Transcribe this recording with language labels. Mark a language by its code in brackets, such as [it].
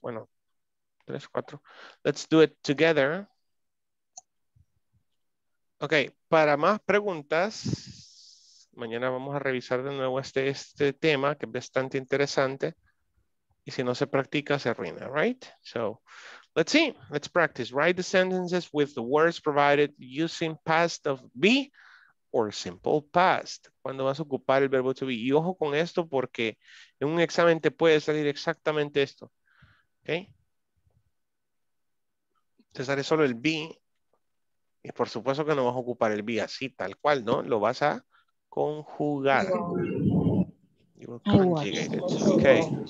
[es] Bueno, [en] 3, 4. Let's do it together. [es] Ok, para más preguntas, mañana vamos a revisar de nuevo este tema, que es bastante interesante. Y si no se practica, se arruina, [en] right? So, let's see. Let's practice. Write the sentences with the words provided using past of be or simple past. [es] ¿Cuándo vas a ocupar el verbo to be? Y ojo con esto, porque en un examen te puede salir exactamente esto. Ok. Te sale solo el be. Y por supuesto que no vas a ocupar el be así, tal cual, ¿no? Lo vas a conjugar. Okay.